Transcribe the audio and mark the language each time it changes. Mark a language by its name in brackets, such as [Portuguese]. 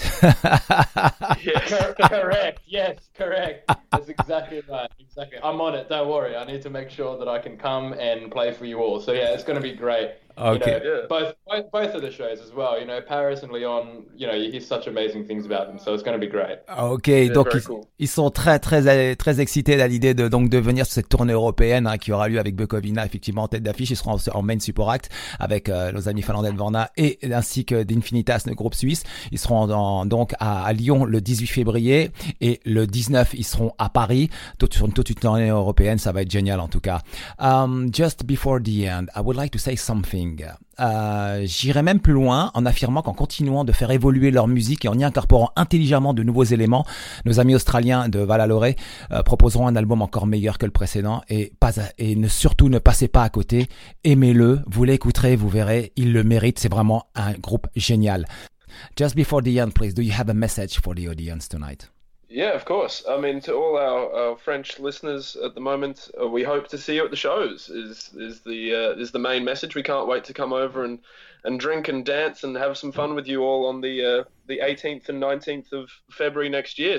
[English] Correct. That's exactly right. Exactly. I'm on it. Don't worry. I need to make sure that I can come and play for you all. So yeah, it's going to be great. Okay. You know, both of the shows as well. You know, Paris and Lyon. You know, you hear such amazing things about them. So it's going to be great. Okay. [French] Yeah, donc ils sont très très très excités à l'idée de venir sur cette tournée européenne qui aura lieu avec Bukovina effectivement en tête d'affiche. Ils seront en main support act avec nos amis finlandais de Vona et ainsi que d'Infinitas, le groupe suisse. Ils seront à Lyon le 18 février et le 19 ils seront à Paris. Toute une tournée européenne, ça va être génial en tout cas. [English] Just before the end, I would like to say something. [French] J'irai même plus loin en affirmant qu'en continuant de faire évoluer leur musique et en y incorporant intelligemment de nouveaux éléments, nos amis australiens de Valalore proposeront un album encore meilleur que le précédent et ne passez pas à côté, aimez-le, vous l'écouterez, vous verrez, il le mérite, c'est vraiment un groupe génial. [English] Just before the end, please, do you have a message for the audience tonight? Yeah, of course. I mean, to all our French listeners at the moment, we hope to see you at the shows is the main message. We can't wait to come over and drink and dance and have some fun with you all on the 18th and 19th of February next year.